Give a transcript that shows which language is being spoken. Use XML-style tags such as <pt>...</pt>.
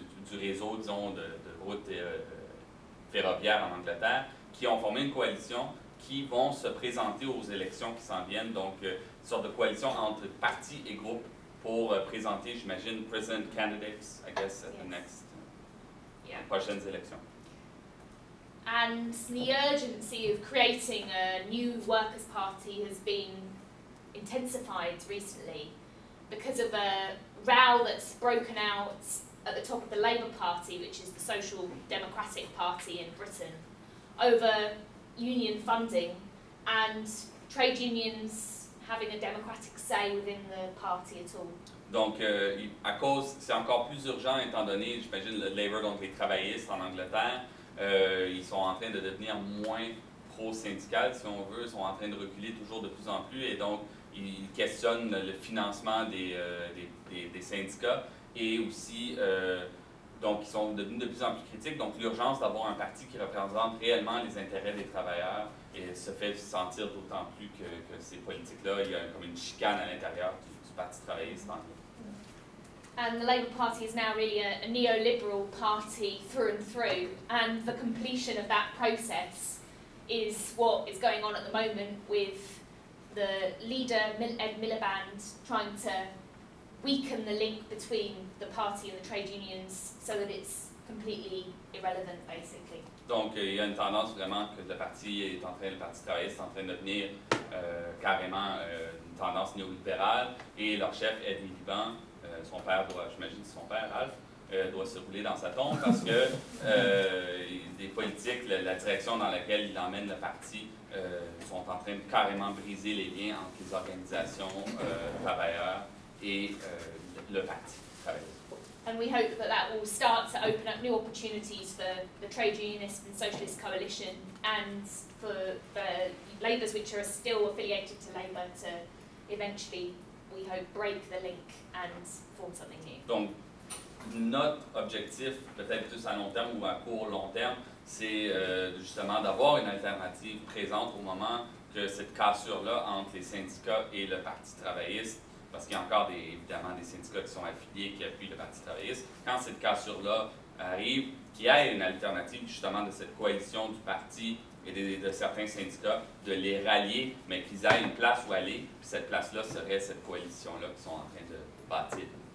<fr>du réseau, disons, de routes ferroviaires en Angleterre, qui ont formé une coalition qui vont se présenter aux élections qui s'en viennent, donc une sorte de coalition entre partis et groupes pour présenter, j'imagine,</fr> <en>present candidates, I guess, at the next,</en> <fr>prochaines élections.</fr> <en>And the urgency of creating a new workers' party has been intensified recently because of a row that's broken out at the top of the Labour Party, which is the Social Democratic Party in Britain, over union funding and trade unions having a democratic say within the party at all.</en> <fr>Donc, à cause, c'est encore plus urgent étant donné, j'imagine, le Labour, donc les travaillistes en Angleterre, ils sont en train de devenir moins pro-syndical, si on veut, ils sont en train de reculer toujours de plus en plus, et donc ils questionnent le financement des syndicats, et aussi, donc ils sont devenus de plus en plus critiques, donc l'urgence d'avoir un parti qui représente réellement les intérêts des travailleurs et se fait sentir d'autant plus que ces politiques-là, il y a comme une chicane à l'intérieur du Parti travailliste.</fr> <en>And the Labour Party is now really a neoliberal party through and through. And the completion of that process is what is going on at the moment with the leader, Ed Miliband, trying to weaken the link between the party and the trade unions so that it's completely irrelevant, basically.</en> <fr>Donc, il y a une tendance vraiment que le parti travailliste est en train de devenir carrément une tendance néolibérale. Et leur chef, Ed Miliband, son père doit, j'imagine son père, Ralph, doit se rouler dans sa tombe parce que des politiques, la direction dans laquelle il emmène le parti, sont en train de carrément briser les liens entre les organisations travailleurs et le parti travailleur.</fr> <en>And we hope that that will start to open up new opportunities for the Trade Unionist and Socialist Coalition and for the Labours, which are still affiliated to Labour, to eventually, we hope, break the link and form something new.</en> <fr>Donc, notre objectif, peut-être plus à long terme ou à court long terme, c'est justement d'avoir une alternative présente au moment que cette cassure-là entre les syndicats et le Parti travailliste, parce qu'il y a encore évidemment des syndicats qui sont affiliés, qui appuient le Parti travailliste, quand cette cassure-là arrive, qu'il y ait une alternative justement de cette coalition du Parti et de certains syndicats, de les rallier, mais qu'ils aient une place où aller, puis cette place-là serait cette coalition-là qu'ils sont en train de bâtir.</fr>